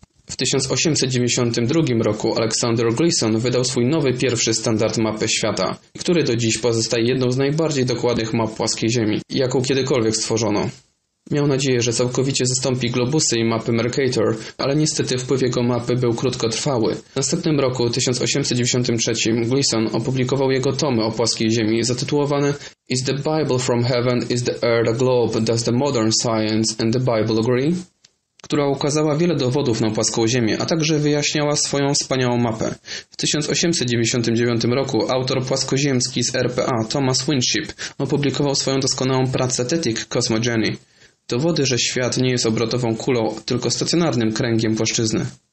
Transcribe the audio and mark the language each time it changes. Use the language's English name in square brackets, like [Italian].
[Polish] W 1892 roku Alexander Gleason wydał swój nowy pierwszy standard mapy świata, który do dziś pozostaje jedną z najbardziej dokładnych map płaskiej Ziemi, jaką kiedykolwiek stworzono. Miał nadzieję, że całkowicie zastąpi globusy i mapy Mercator, ale niestety wpływ jego mapy był krótkotrwały. W następnym roku, 1893, Gleason opublikował jego tomy o płaskiej Ziemi, zatytułowane [English] Is the Bible from Heaven? Is the Earth a Globe? Does the Modern Science and the Bible Agree? [Polish] Która ukazała wiele dowodów na płaską Ziemię, a także wyjaśniała swoją wspaniałą mapę. W 1899 roku autor płaskoziemski z RPA, Thomas Winship, opublikował swoją doskonałą pracę Thetic Cosmogeny. Dowody, że świat nie jest obrotową kulą, tylko stacjonarnym kręgiem płaszczyzny.